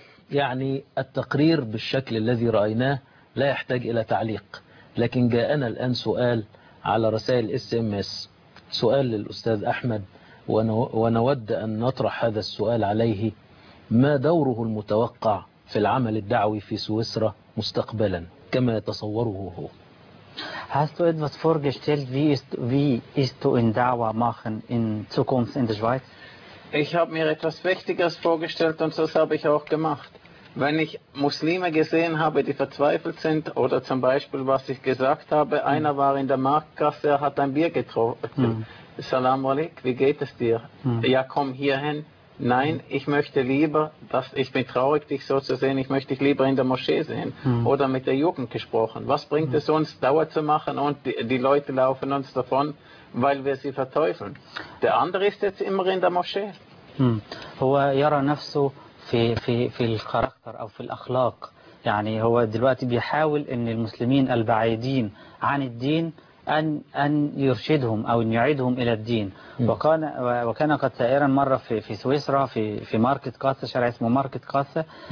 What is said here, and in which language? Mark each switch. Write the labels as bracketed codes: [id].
[ar] يعني التقرير بالشكل الذي رأيناه لا يحتاج إلى تعليق، لكن جاءنا الآن سؤال على رسائل SMS، سؤال للأستاذ أحمد، ونود أن نطرح هذا السؤال عليه: ما دوره المتوقع في العمل الدعوي في سويسرا مستقبلا كما يتصوره هو؟ [de] Hast du etwas vorgestellt, wie ist du in Dawa machen in Zukunft in der Schweiz? Ich habe mir etwas Wichtiges vorgestellt und das habe ich auch gemacht. Wenn ich Muslime gesehen habe, die verzweifelt sind, oder zum Beispiel, was ich gesagt habe, einer war in der Marktkasse, er hat ein Bier getrunken. Salam alaik, wie geht es dir? Ja, komm hier hin. nein, ich möchte lieber, dass ich bin traurig, dich so zu sehen, ich möchte dich lieber in der Moschee sehen oder mit der Jugend gesprochen. Was bringt es uns, Dauer zu machen und die Leute laufen uns davon, weil wir sie verteufeln? Der andere ist jetzt immer in der Moschee. [ar] هو يرى نفسه في في في الكاركتر او في الاخلاق يعني هو دلوقتي بيحاول ان المسلمين البعيدين عن الدين ان يرشدهم او ان يعيدهم الى الدين وكان قد سائرا مره في سويسرا في ماركت كاسا شارع اسمه ماركت كاسا